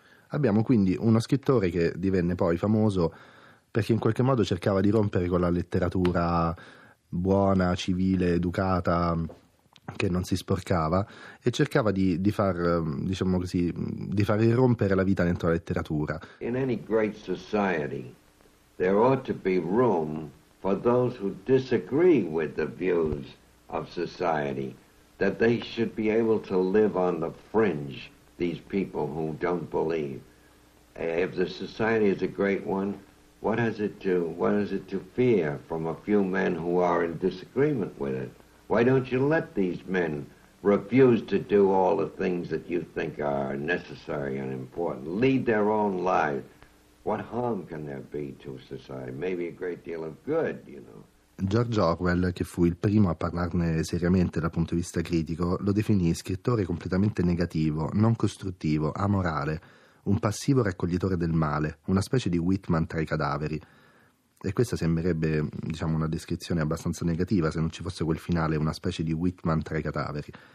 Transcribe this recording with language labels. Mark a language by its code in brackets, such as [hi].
[it] Abbiamo quindi uno scrittore che divenne poi famoso perché in qualche modo cercava di rompere con la letteratura buona, civile, educata, che non si sporcava, e cercava di far rompere la vita dentro la letteratura. [en] In any great society there ought to be room for those who disagree with the views of society, that they should be able to live on the fringe. These people who don't believe. If the society is a great one, what has it to fear from a few men who are in disagreement with it? Why don't you let these men refuse to do all the things that you think are necessary and important? Lead their own lives. What harm can there be to society? Maybe a great deal of good, you know. [it] George Orwell, che fu il primo a parlarne seriamente dal punto di vista critico, lo definì scrittore completamente negativo, non costruttivo, amorale, un passivo raccoglitore del male, una specie di Whitman tra i cadaveri. E questa sembrerebbe, diciamo, una descrizione abbastanza negativa se non ci fosse quel finale, una specie di Whitman tra i cadaveri.